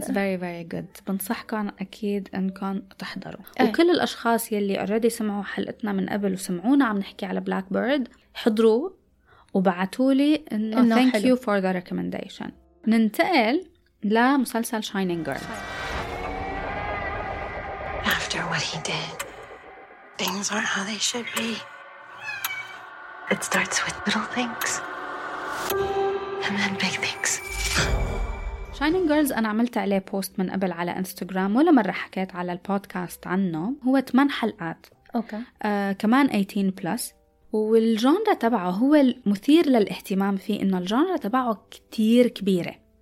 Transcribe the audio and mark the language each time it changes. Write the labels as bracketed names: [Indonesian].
[English] it's very very good [Arabic] بنصحكم اكيد انكم تحضروا ايه. وكل الاشخاص يلي اوريدي سمعوا حلقتنا من قبل وسمعونا عم نحكي على بلاك بيرد حضروا وبعتولي انه thank حلو. [English] You for the recommendation [Arabic] ننتقل لا مسلسل Shining Girl. [English] After what he did, things aren't how they should be. It starts with little things, and then big things. [Arabic] Shining Girls أنا عملت عليه بوست من قبل على إنستغرام ولا مرة حكيت على البودكاست عنه. هو 8 حلقات. أوكي. كمان 18 plus. والجانرة تبعه هو المثير للاهتمام فيه إنه الجانرة تبعه كتير كبيرة.